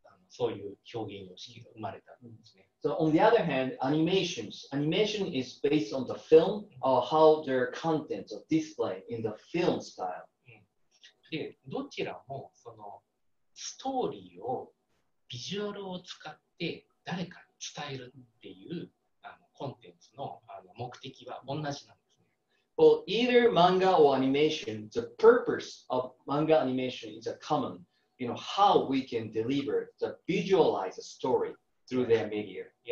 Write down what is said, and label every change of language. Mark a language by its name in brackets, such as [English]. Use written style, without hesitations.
[English] So on the other hand, animation is based on the film or how their contents are displayed in the film style. [Japanese] で、どちらもそのストーリーをビジュアルを使って誰かに伝えるっていうコンテンツの目的は同じなんですね。 [English] Well, either manga or animation, the purpose of manga animation is a common, you know, how we can deliver the visualize a story through their media.